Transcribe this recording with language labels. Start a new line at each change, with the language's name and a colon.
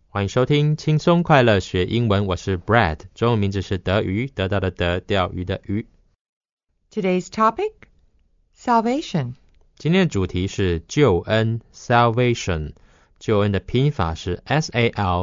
Chinese: 欢迎收听轻松快乐学英文。我是 Brad. 中文名字是德鱼，得到的德，钓鱼的鱼。
English: Today's topic, salvation.
Chinese: 今天的主题是救恩 ,salvation. 救恩的拼法是 S-A-L-V-A-T-I-O-N.